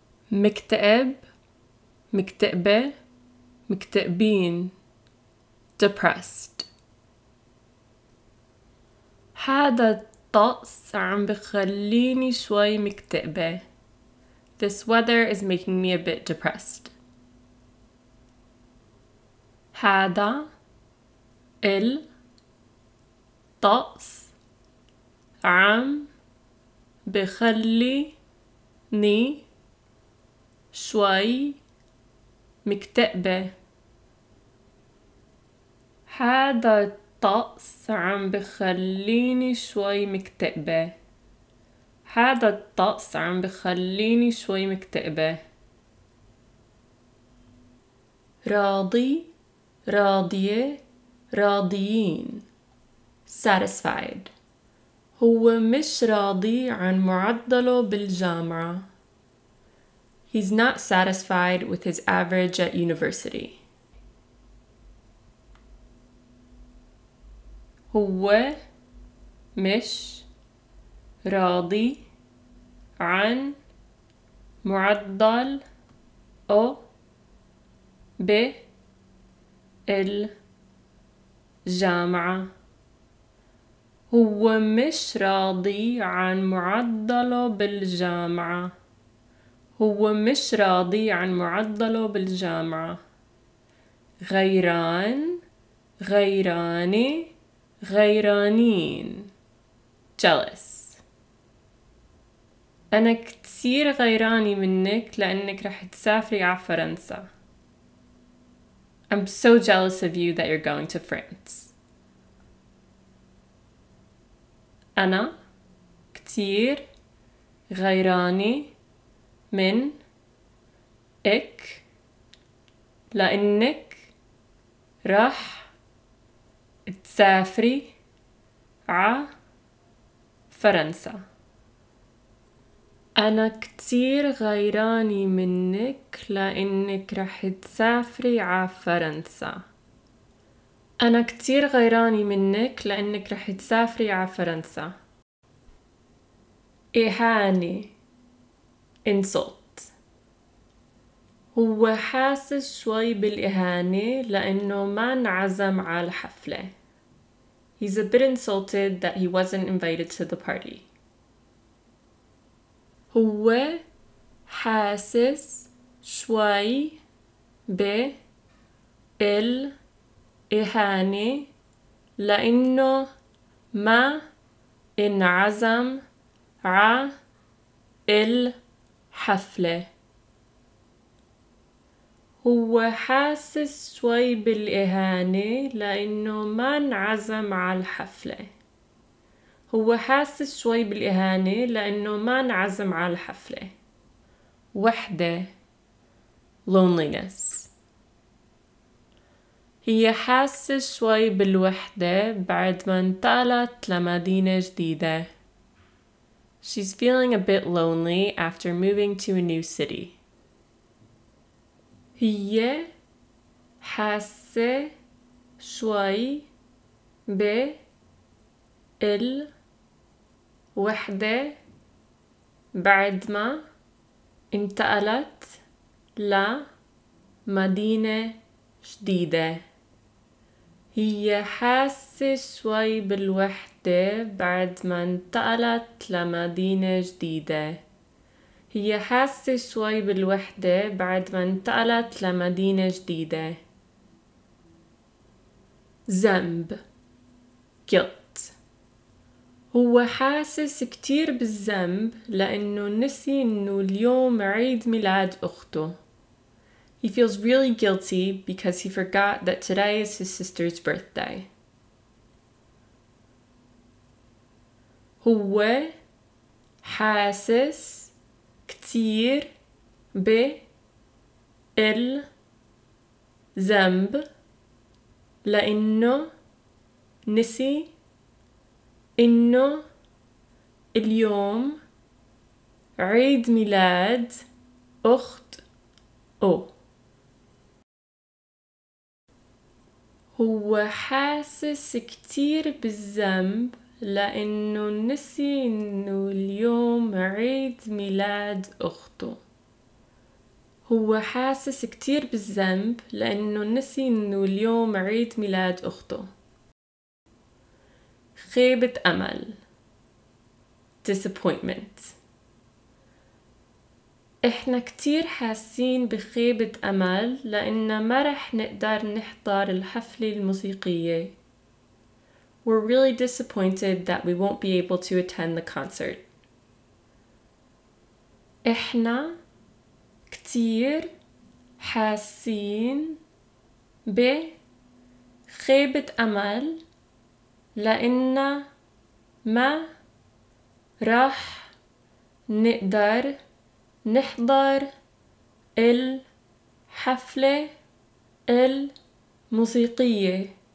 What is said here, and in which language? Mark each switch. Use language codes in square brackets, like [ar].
[ar] مكتئب مكتئبة مكتئبين [en] depressed. [ar] هذا الطقس عم بخليني شوي مكتئبة. [en] This weather is making me a bit depressed. [ar] هذا الطقس عم بخليني شوي مكتئبة. هذا الطقس عم بخليني شوي مكتئبة. هذا الطقس عم بخليني شوي مكتئبة. راضي راضية راضيين [en] satisfied. [ar] هو مش راضي عن معدله بالجامعة. [en] He's not satisfied with his average at university. [ar] هو مش راضي عن معدل أو ب الجامعة. هو مش راضي عن معدله بالجامعة. هو مش راضي عن معدله بالجامعة. غيران غيراني غيرانين [en] jealous. [ar] أنا كتير غيراني منك لأنك رح تسافري على فرنسا. [en] I'm so jealous of you that you're going to France. [ar] أنا كتير غيراني من إك لأنك راح تسافري ع فرنسا. أنا كتير غيراني منك لأنك راح تسافري ع فرنسا. أنا كتير غيراني منك لأنك راح تسافري ع فرنسا. إهانة [en] insult. [ar] هو حاسس شوي بالإهانة لأنه ما انعزم على الحفلة. [en] He's a bit insulted that he wasn't invited to the party. [ar] هو حاسس شوي بالإهانة لأنه ما انعزم على حفلة. هو حاسس شوي بالإهانة لأنه ما انعزم على الحفلة. هو حاسس شوي بالإهانة لأنه ما انعزم على الحفلة. وحدة [en] loneliness. [ar] هي حاسس شوي بالوحدة بعد ما انتقلت لمدينة جديدة. [en] She's feeling a bit lonely after moving to a new city. [ar] هي حاسة شوي بالوحدة بعد ما انتقلت لمدينة جديدة. هي حاسة شوي بالوحدة بعد ما انتقلت لمدينة جديدة. هي حاسة شوي بالوحدة بعد ما انتقلت لمدينة جديدة. ذنب [en] guilt. [ar] هو حاسس كتير بالذنب لأنه نسي إنه اليوم عيد ميلاد أخته. [en] He feels really guilty because he forgot that today is his sister's birthday. [ar] هو حاسس كتير بالذنب لأنه نسي إنه اليوم عيد ميلاد أخت أو. هو حاسس كتير بالذنب لأنه نسي إنه اليوم عيد ميلاد أخته. هو حاسس كتير بالذنب لأنه نسي إنه اليوم عيد ميلاد أخته. خيبة أمل [en] disappointment. [ar] إحنا كتير حاسين بخيبة أمل لأنه ما رح نقدر نحضر الحفلة الموسيقية. [en] We're really disappointed that we won't be able to attend the concert. [ar] إحنا كتير حاسين بخيبة أمل لأن ما راح نقدر نحضر الحفلة الموسيقية.